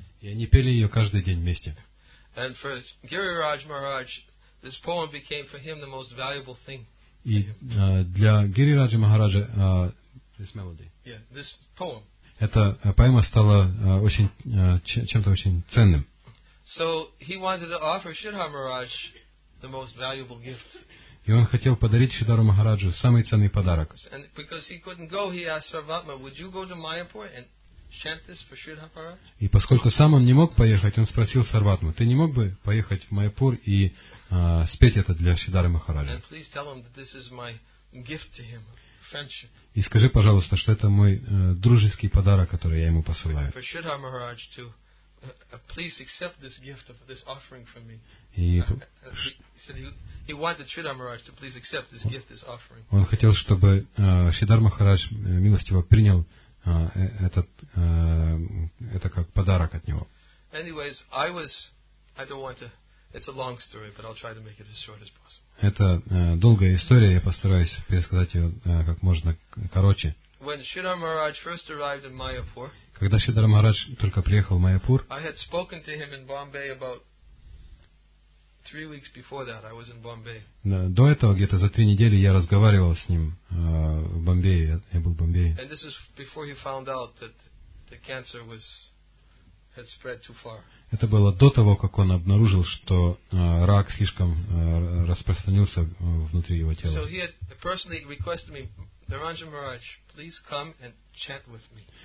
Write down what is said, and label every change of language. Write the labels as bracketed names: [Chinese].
[Russian] И они пели ее каждый день вместе. [English] And for Giriraj Maharaj, this poem became for him the most valuable thing. [Russian] И для Гирираджа Махараджа [English] this melody. Yeah, this poem. [Russian] Эта поэма стала чем-то очень ценным. [English] So he wanted to offer Shridhar Maharaj the most valuable gift. [Russian] И он хотел подарить Шридхару Махараджу самый ценный подарок. [English] And because he couldn't go, he asked Sarvatma, would you go to Mayapur and chant this for Shridhar Maharaj? [Russian] И поскольку сам он не мог поехать, он спросил Сарватму, ты не мог бы поехать в Майяпур и спеть это для Шридхары Махараджа? [English] And please tell him that this is my gift to him, friendship. [Russian] И скажи, пожалуйста, что это мой дружеский подарок, который я ему посылаю. [English] For Shridhar Maharaj to please accept this gift of this offering from me. He wanted Shridhar Maharaj to please accept this gift, this offering. [Russian] Он хотел, чтобы Шридхар Махарадж милостиво принял это как подарок от него. [English] Anyways, I don't want to. It's a long story, but I'll try to make it as short as possible. [Russian] Это долгая история. Я постараюсь пересказать ее как можно короче. [English] When Shridhar Maharaj first arrived in Mayapur, [Russian] когда Шридхар Махарадж только приехал в Майяпур, [English] I had spoken to him in Bombay about 3 weeks before that. I was in Bombay. [Russian] До этого где-то за 3 недели я разговаривал с ним в Бомбее. Я был в Бомбее. [English] And this is before he found out that the cancer was had spread too far. [Russian] Это было до того, как он обнаружил, что рак слишком распространился внутри его тела. [English] So he had personally requested me, Niranjan Maharaj, please come and chant with me.